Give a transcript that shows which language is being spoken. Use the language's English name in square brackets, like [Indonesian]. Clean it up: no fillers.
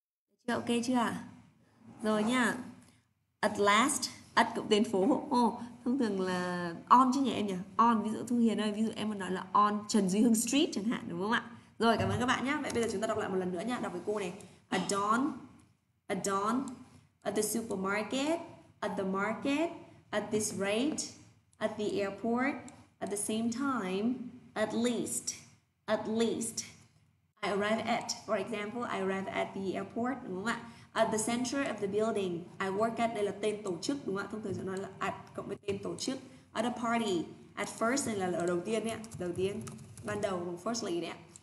[Vietnamese] Được chưa, ok chưa ạ? Rồi nha. At last, at cụm tên phố. Thông thường là on chứ nhỉ em nhỉ? On, ví dụ Thu Hiền ơi, ví dụ em mà nói là on Trần Duy Hưng Street chẳng hạn, đúng không ạ? Rồi, cảm ơn các bạn nhé. Vậy bây giờ chúng ta đọc lại một lần nữa nha. Đọc với cô này. [English] At dawn, at the supermarket, at the market, at this rate, at the airport, at the same time, at least. I arrive at, for example, I arrive at the airport, [Vietnamese] đúng không ạ? [English] At the center of the building, I work at, [Vietnamese] đây là tên tổ chức, đúng không ạ? Thông thường sẽ nói là at cộng với tên tổ chức. At a party, at first, đây là ở đầu tiên đấy ạ. Đầu tiên, ban đầu, firstly đấy ạ.